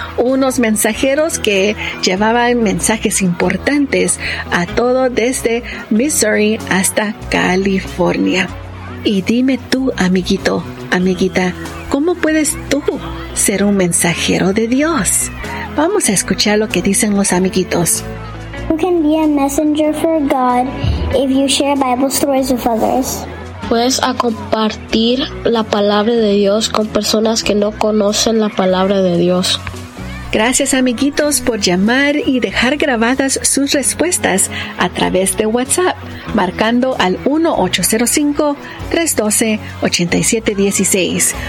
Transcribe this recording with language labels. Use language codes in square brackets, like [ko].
[es] Unos mensajeros que llevaban mensajes importantes a todo desde Missouri hasta California. Y dime tú, amiguito, amiguita, ¿cómo puedes tú ser un mensajero de Dios? Vamos a escuchar lo que dicen los amiguitos. [en] Who can be a messenger for God if you share Bible stories with others? [es] Puedes a compartir la palabra de Dios con personas que no conocen la palabra de Dios. Gracias, amiguitos, por llamar y dejar grabadas sus respuestas a través de WhatsApp, marcando al 1-805-312-8716.